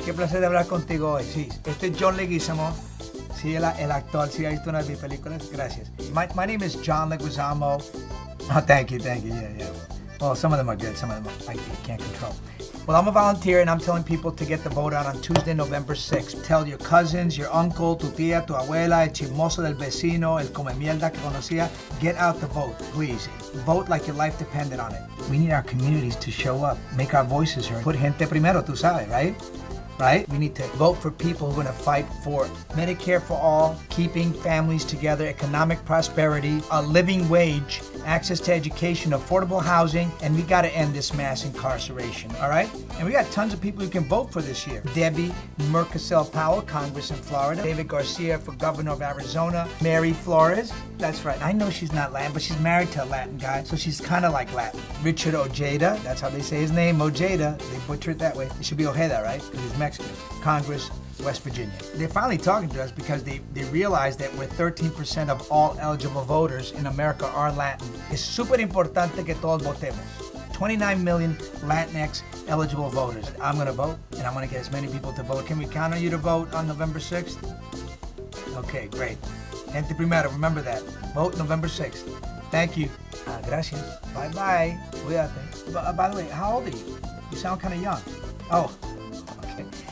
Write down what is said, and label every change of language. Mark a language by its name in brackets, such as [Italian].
[Spanish] Qué placer hablar contigo hoy. Sí, este es John Leguizamo. Sí, el actor. Sí, ha visto una de mis películas. Gracias. [English] My name is John Leguizamo. Oh, thank you. Yeah. Well, some of them are good. Some of them I can't control. Well, I'm a volunteer, and I'm telling people to get the vote out on Tuesday, November 6th. Tell your cousins, your uncle, [Spanish] tu tía, tu abuela, el chismoso del vecino, el come mierda que conocía. [English] Get out the vote, please. Vote like your life depended on it. We need our communities to show up, make our voices heard. Put [Spanish] gente primero, tú sabes, [English] right? Right? We need to vote for people who are going to fight for Medicare for all, keeping families together, economic prosperity, a living wage, access to education, affordable housing, and we got to end this mass incarceration, all right? And we got tons of people who can vote for this year. Debbie Mercosell Powell, Congress in Florida. David Garcia for governor of Arizona. Mary Flores. That's right. I know she's not Latin, but she's married to a Latin guy, so she's kind of like Latin. Richard Ojeda. That's how they say his name. Ojeda. They butcher it that way. It should be Ojeda, right? Because he's Mexican. Congress, West Virginia. They're finally talking to us because they realize that we're 13% of all eligible voters in America are Latin. [Spanish] Es super importante que todos votemos. [English] 29 million Latinx eligible voters. I'm going to vote, and I'm going to get as many people to vote. Can we count on you to vote on November 6th? Okay, great. [Spanish] Gente primero, [English] remember that. Vote November 6th. Thank you. Gracias. Bye-bye. [Spanish] Cuídate. [English] By the way, how old are you? You sound kind of young. Oh, okay.